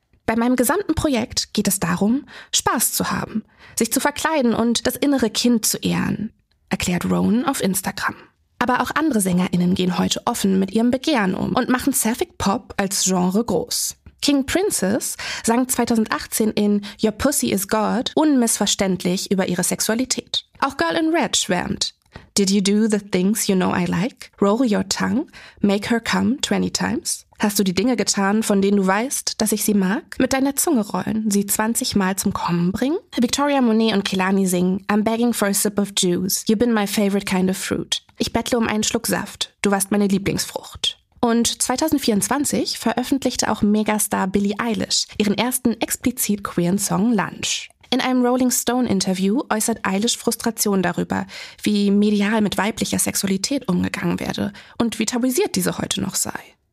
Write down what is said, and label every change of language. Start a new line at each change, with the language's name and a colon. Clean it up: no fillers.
German: Bei meinem gesamten Projekt geht es darum, Spaß zu haben, sich zu verkleiden und das innere Kind zu ehren, erklärt Rowan auf Instagram. Aber auch andere SängerInnen gehen heute offen mit ihrem Begehren um und machen Sapphic Pop als Genre groß. King Princess sang 2018 in Your Pussy Is God unmissverständlich über ihre Sexualität. Auch Girl in Red schwärmt.
English: Did you do the things you know I like? Roll your tongue, make her come 20 times?
German: Hast du die Dinge getan, von denen du weißt, dass ich sie mag? Mit deiner Zunge rollen, sie 20 Mal zum Kommen bringen? Victoria Monet und Kehlani singen,
English: I'm begging for a sip of juice, you've been my favorite kind of fruit.
German: Ich bettle um einen Schluck Saft, du warst meine Lieblingsfrucht. Und 2024 veröffentlichte auch Megastar Billie Eilish ihren ersten explizit queeren Song Lunch. In einem Rolling Stone-Interview äußert Eilish Frustration darüber, wie medial mit weiblicher Sexualität umgegangen werde und wie tabuisiert diese heute noch sei.